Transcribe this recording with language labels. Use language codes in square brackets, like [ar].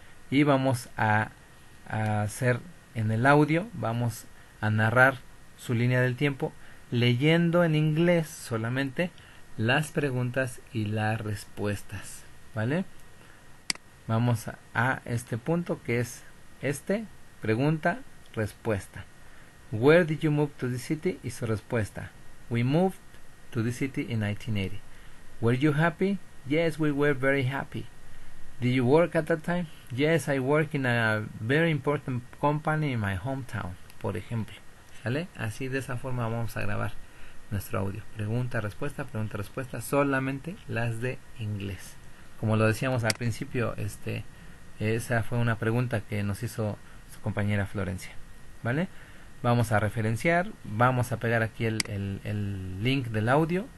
[es] Y vamos a hacer en el audio, vamos a narrar su línea del tiempo leyendo en inglés solamente las preguntas y las respuestas, ¿vale? Vamos a este punto que es pregunta, respuesta. [en] Where did you move to the city? [es] Y su respuesta. [en] We moved to the city in 1980. Were you happy? Yes, we were very happy. Did you work at that time? Yes, I work in a very important company in my hometown, [es] por ejemplo. ¿Sale? Así de esa forma vamos a grabar nuestro audio. Pregunta, respuesta, solamente las de inglés. Como lo decíamos al principio, esa fue una pregunta que nos hizo su compañera Florencia. ¿Vale? Vamos a referenciar, vamos a pegar aquí el link del audio.